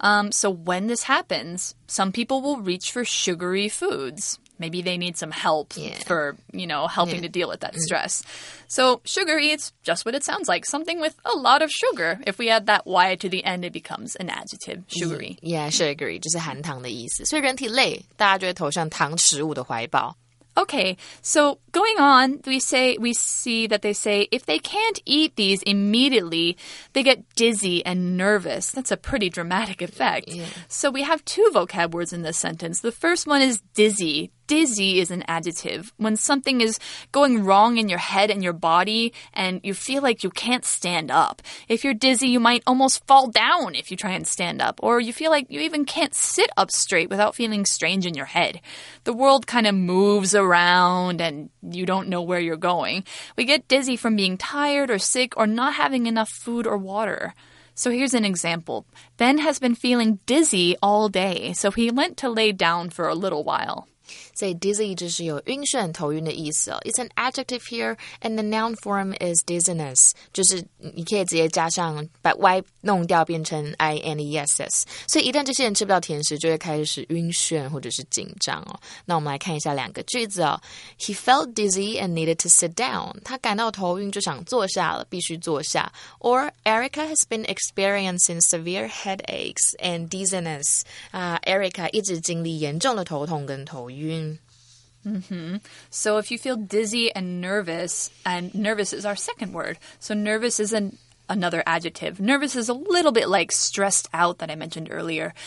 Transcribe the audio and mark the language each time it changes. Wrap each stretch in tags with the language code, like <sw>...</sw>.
<en>So when this happens, some people will reach for sugary foods. Maybe they need some help for, you know, helping to deal with that stress. So sugary, it's just what it sounds like, something with a lot of sugar. If we add that Y to the end, it becomes an adjective, sugary.</en> <zh>Sugary, 就是含糖的意思。所以人体累，大家就会投向糖食物的怀抱。</zh> <en>Okay, so going on, we see that they say if they can't eat these immediately, they get dizzy and nervous. That's a pretty dramatic effect. So we have two vocab words in this sentence. The first one is dizzy. Dizzy is an adjective. When something is going wrong in your head and your body and you feel like you can't stand up. If you're dizzy, you might almost fall down if you try and stand up. Or you feel like you even can't sit up straight without feeling strange in your head. The world kind of moves around and you don't know where you're going. We get dizzy from being tired or sick or not having enough food or water. So here's an example. Ben has been feeling dizzy all day, so he went to lay down for a little while.</en> <zh>So dizzy 就是有晕眩、头晕的意思。</zh> <en>It's an adjective here, and the noun form is dizziness.</en> <zh>就是你可以直接加上把 y 弄掉变成 ines. 所以一旦这些人吃不到甜食，就会开始晕眩或者是紧张哦。那我们来看一下两个句子哦。</zh> <en>He felt dizzy and needed to sit down.</en> <zh>他感到头晕就想坐下了，必须坐下。</zh> <en>Or Erica has been experiencing severe headaches and dizziness.</en> <zh>Erica 一直经历严重的头痛跟头晕。</zh> <en>So if you feel dizzy and nervous is our second word. So nervous is another adjective. Nervous is a little bit like stressed out that I mentioned earlier.</en>